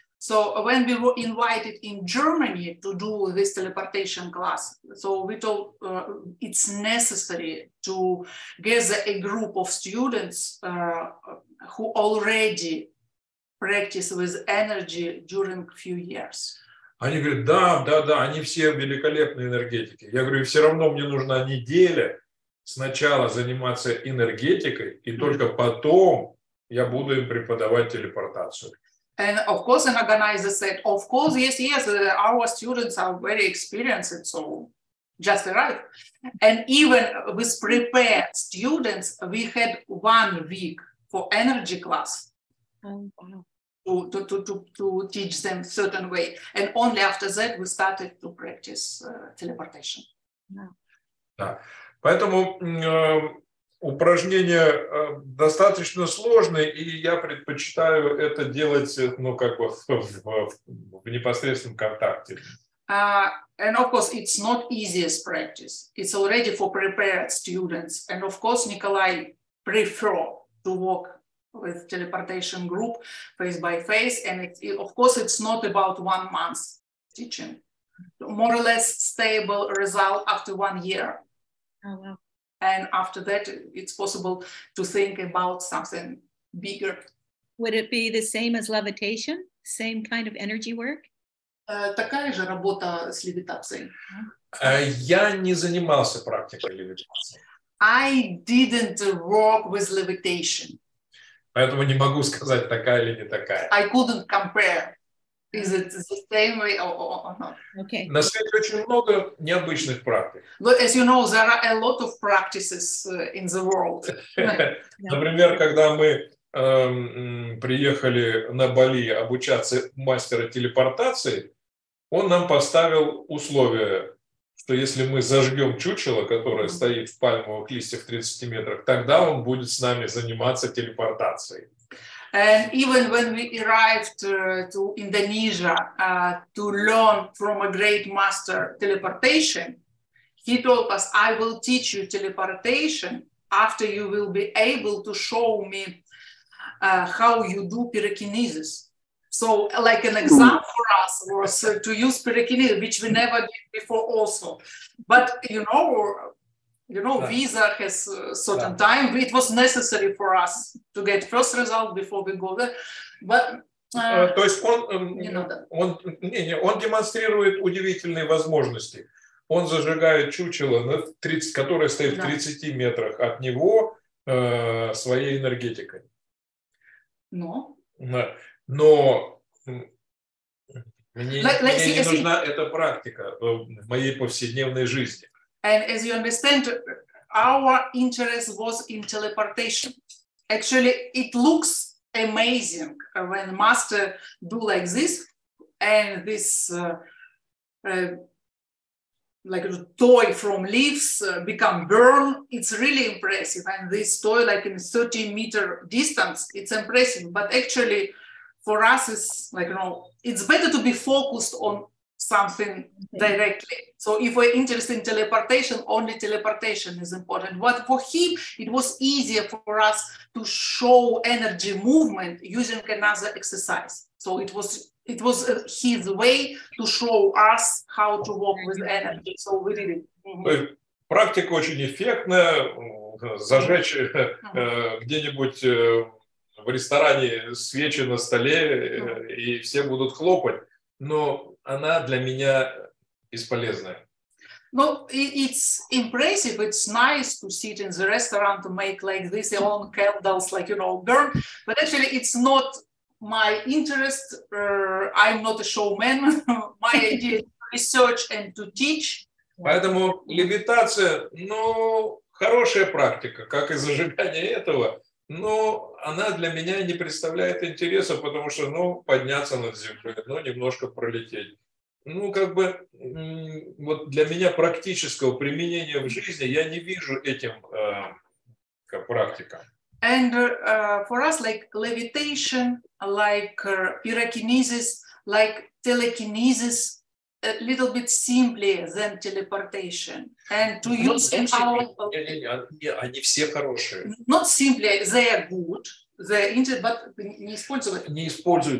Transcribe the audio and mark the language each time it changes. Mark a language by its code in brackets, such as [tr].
[en] So when we were invited in Germany to do this teleportation class, so we told it's necessary to gather a group of students who already practice with energy during a few years. [ru] Они говорят, да, да, да, они все великолепные энергетики. Я говорю, все равно мне нужна неделя сначала заниматься энергетикой, и только потом я буду им преподавать телепортацию. [en] And of course, an organizer said, of course, yes, yes, our students are very experienced, so just arrived. And even with prepared students, we had 1 week for energy class to teach them a certain way. And only after that, we started to practice teleportation. [ru] Поэтому упражнение достаточно сложное, и я предпочитаю это делать, ну, как бы в непосредственном контакте. [en] And of course, it's not easiest practice. It's already for prepared students. And of course, Nikolay prefer to work with teleportation group face by face. And it, of course, it's not about 1 month teaching. More or less stable result after 1 year. And after that, it's possible to think about something bigger. Would it be the same as levitation? Same kind of energy work? [ru] Такая же работа с левитацией. Я не занимался практикой левитации. [en] I didn't work with levitation. [ru] Поэтому не могу сказать, такая или не такая. [en] I couldn't compare. Is it the same way or not? Okay. [ru] На свете очень много необычных практик. [en] But as you know, there are a lot of practices in the world. [ru] Например, когда мы приехали на Бали обучаться мастера телепортации, он нам поставил условие, что если мы зажгем чучело, которое стоит в пальмовых листьях в 30 метрах, тогда он будет с нами заниматься телепортацией. [en] And even when we arrived to Indonesia to learn from a great master teleportation, he told us, I will teach you teleportation after you will be able to show me how you do pyrokinesis. So like an example for us was to use pyrokinesis, which we never did before also. But you know, visa has a certain time. It was necessary for us to get first result before we go there. But [ru] то есть он, [en] you know, [ru] он демонстрирует удивительные возможности. Он зажигает чучело, которое стоит в 30 метрах от него своей энергетикой. Но мне не нужна эта практика в моей повседневной жизни. [en] And as you understand, our interest was in teleportation. Actually, it looks amazing when master do like this, and this like a toy from leaves become burn. It's really impressive. And this toy like in 30 meter distance, it's impressive. But actually for us it's like, you know, it's better to be focused on something directly. So if we're interested in teleportation, only teleportation is important. But for him, it was easier for us to show energy movement using another exercise. So it was his way to show us how to work with energy. So we did it. [ru] Практика очень эффектная. Зажечь где-нибудь в ресторане свечи на столе, и все будут хлопать. Но она для меня бесполезная. [en] Ну, it's impressive, it's nice to sit in the restaurant to make like this long candles, like, you know, burn. But actually, it's not my interest. I'm not a showman. My idea is to research and to teach. [ru] Поэтому левитация, ну, хорошая практика, как и зажигание этого. Но она для меня не представляет интереса, потому что, ну, подняться над землей, ну, немножко пролететь. Ну, как бы, вот для меня практического применения в жизни я не вижу этим, как практика. [en] And for us, like levitation, like pyrokinesis, like telekinesis, a little bit simpler than teleportation. And to use in our... [ru] Они все хорошие. [en] Not simply, they are good. [ru] Не используется.